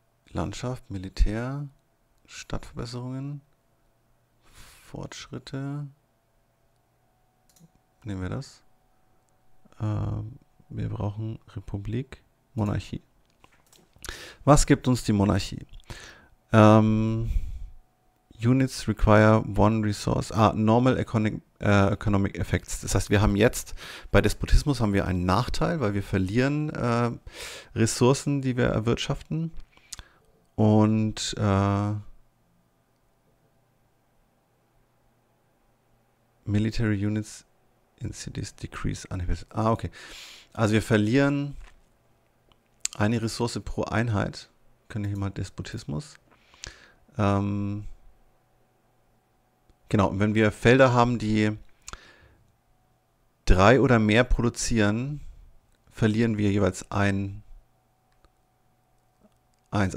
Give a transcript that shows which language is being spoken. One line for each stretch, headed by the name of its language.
German: Landschaft, Militär, Stadtverbesserungen, Fortschritte. Nehmen wir das. Wir brauchen Republik, Monarchie. Was gibt uns die Monarchie?
English: Units require one resource. Ah, normal economic effects.
German: Das heißt, wir haben jetzt bei Despotismus haben wir einen Nachteil, weil wir verlieren Ressourcen, die wir erwirtschaften.
English: Und military units in cities decrease. Ah, okay.
German: Also wir verlieren eine Ressource pro Einheit. Können wir hier mal Despotismus? Genau, und wenn wir Felder haben, die drei oder mehr produzieren, verlieren wir jeweils ein eins.